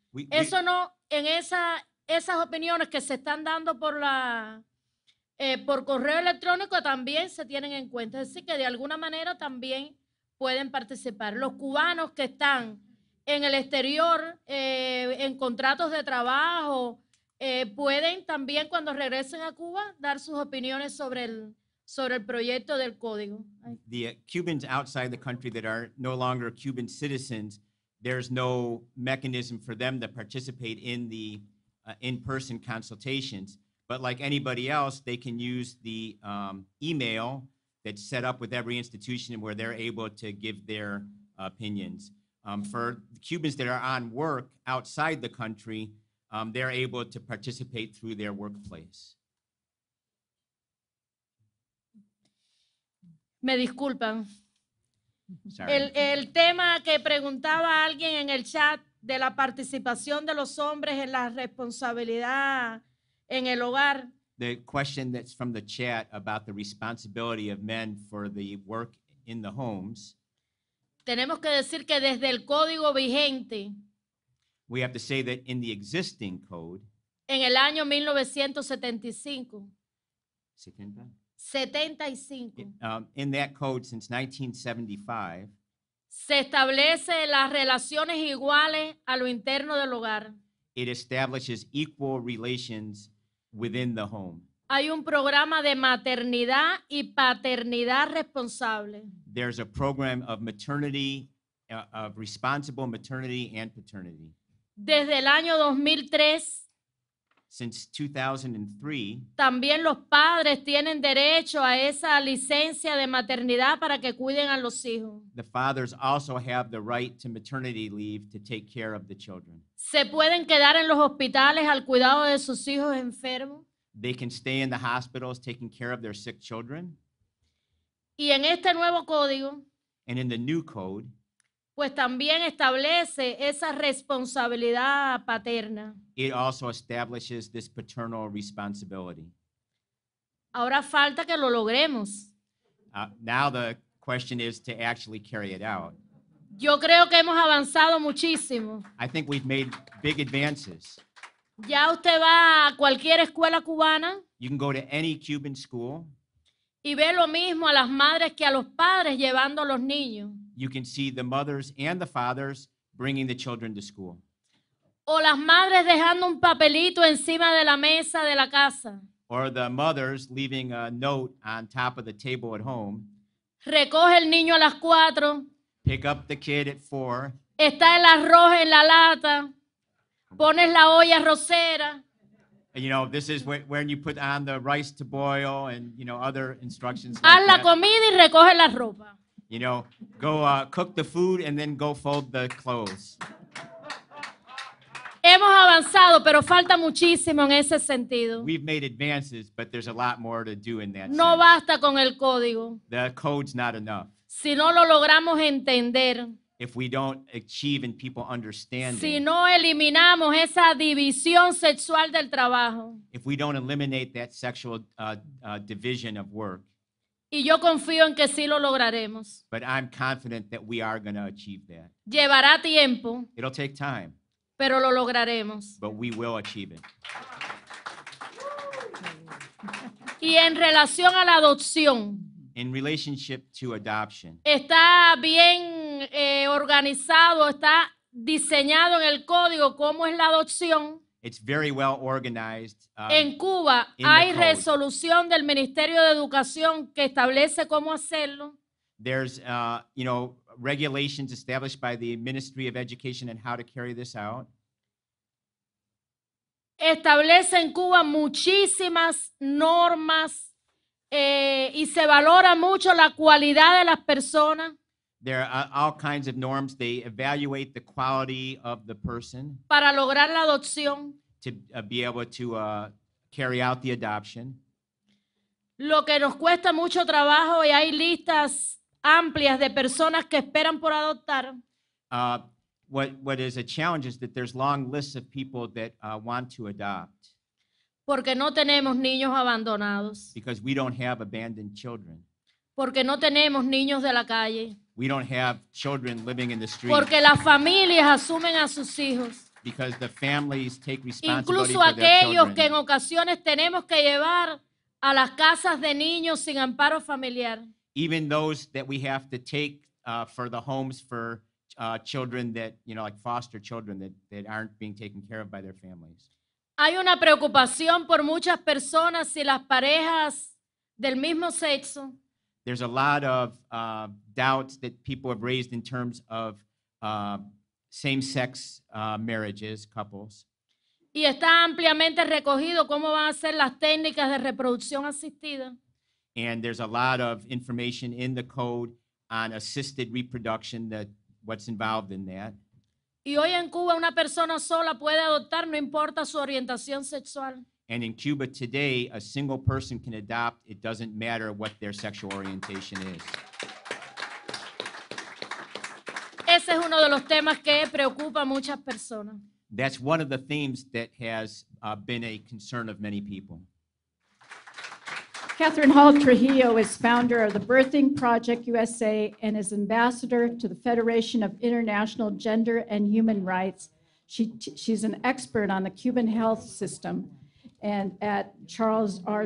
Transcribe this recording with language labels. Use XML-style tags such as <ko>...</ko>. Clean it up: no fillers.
<es>Eso no, en esas opiniones que se están dando por correo electrónico también se tienen en cuenta, es decir, que de alguna manera también pueden participar. Los cubanos que están en el exterior, en contratos de trabajo, pueden también cuando regresen a Cuba dar sus opiniones sobre el proyecto del código.</es> <en>The Cubans outside the country that are no longer Cuban citizens, there's no mechanism for them to participate in the in-person consultations. But like anybody else, they can use the email that's set up with every institution where they're able to give their opinions. For the Cubans that are on work outside the country, they're able to participate through their workplace.</en> <es>Me disculpan.</es> <en>Sorry.</en> <es>El tema que preguntaba alguien en el chat de la participación de los hombres en la responsabilidad en el hogar.</es> <en>The question that's from the chat about the responsibility of men for the work in the homes.</en> <es>Tenemos que decir que desde el código vigente.</es> <en>We have to say that in the existing code.</en> <es>En el año 1975.</es> <en>75. In that code since 1975.</en> <es>se establece las relaciones iguales a lo interno del hogar.</es> <en>It establishes equal relations within the home.</en> <es>Hay un programa de maternidad y paternidad responsable.</es> <en>There's a program of maternity, of responsible maternity and paternity.</en> <es>Desde el año 2003.</es> <en>Since 2003.</en> <es>También los padres tienen derecho a esa licencia de maternidad para que cuiden a los hijos.</es> <en>The fathers also have the right to maternity leave to take care of the children.</en> <es>Se pueden quedar en los hospitales al cuidado de sus hijos enfermos.</es> <en>They can stay in the hospitals taking care of their sick children.</en> <es>Y en este nuevo código,</es> <en>and in the new code,</en> <es>pues también establece esa responsabilidad paterna.</es> <en>It also establishes this paternal responsibility.</en> <es>Ahora falta que lo logremos.</es> <en>Now the question is to actually carry it out.</en> <es>Yo creo que hemos avanzado muchísimo.</es> <en>I think we've made big advances.</en> <es>Ya usted va a cualquier escuela cubana.</es> <en>You can go to any Cuban school.</en> <es>Y ve lo mismo a las madres que a los padres llevando a los niños.</es> <en>You can see the mothers and the fathers bringing the children to school.</en> <es>O las madres dejando un papelito encima de la mesa de la casa.</es> <en>Or the mothers leaving a note on top of the table at home.</en> <es>Recoge el niño a las cuatro.</es> <en>Pick up the kid at four.</en> <es>Está el arroz en la lata. Pones la olla rosera.</es> <en>You know, this is when you put on the rice to boil and, you know, other instructions.</en> <es>Haz</es> <en>like</en> <es>Comida y recoge la ropa.</es> <en>You know, go cook the food and then go fold the clothes.</en> <es>Hemos avanzado, pero falta muchísimo en ese sentido.</es> <en>We've made advances, but there's a lot more to do in that no sense.</en> <es>Basta con el código.</es> <en>The code's not enough.</en> <es>Si no lo logramos entender.</es> <en>If we don't achieve in people understanding,</en> <es>si no eliminamos esa división sexual del trabajo,</es> <en>if we don't eliminate that sexual division of work,</en> <es>y yo confío en que sí lo lograremos,</es> <en>but I'm confident that we are going to achieve that.</en> <es>Llevará tiempo,</es> <en>it'll take time,</en> <es>pero lo lograremos,</es> <en>but we will achieve it.</en> <es>Y en relación a la adopción,</es> <en>in relationship to adoption,</en> <es>está bien organizado, está diseñado en el código cómo es la adopción.</es> <en>It's very well organized.</en> <es>En Cuba hay resolución del Ministerio de Educación que establece cómo hacerlo.</es> <en>There's you know, regulations established by the Ministry of Education and how to carry this out.</en> <es>Establece en Cuba muchísimas normas. Y se valora mucho la cualidad de las personas.</es> <en>There are all kinds of norms. They evaluate the quality of the person.</en> <es>Para lograr la adopción.</es> <en>To be able to carry out the adoption.</en> <es>Lo que nos cuesta mucho trabajo y hay listas amplias de personas que esperan por adoptar.</es> <en>What is a challenge is that there's long lists of people that want to adopt.</en> <es>Porque no tenemos niños abandonados.</es> <en>Because we don't have abandoned children.</en> <es>Porque no tenemos niños de la calle.</es> <en>We don't have children living in the street.</en> <es>Porque las familias asumen a sus hijos.</es> <en>Because the families take responsibility for their children.</en> <es>Incluso aquellos que en ocasiones tenemos que llevar a las casas de niños sin amparo familiar.</es> <en>Even those that we have to take for the homes for children that, you know, like foster children that aren't being taken care of by their families.</en> <es>Hay una preocupación por muchas personas si las parejas del mismo sexo.</es> <en>There's a lot of doubts that people have raised in terms of same-sex marriages, couples.</en> <es>Y está ampliamente recogido cómo van a ser las técnicas de reproducción asistida.</es> <en>And there's a lot of information in the code on assisted reproduction, that what's involved in that.</en> <es>Y hoy en Cuba una persona sola puede adoptar, no importa su orientación sexual.</es> <en>And in Cuba today, a single person can adopt. It doesn't matter what their sexual orientation is.</en> <es>Ese es uno de los temas que preocupa a muchas personas.</es> <en>That's one of the themes that has been a concern of many people. Catherine Hall Trujillo is founder of the Birthing Project USA and is ambassador to the Federation of International Gender and Human Rights. She's an expert on the Cuban health system and at Charles R.</en>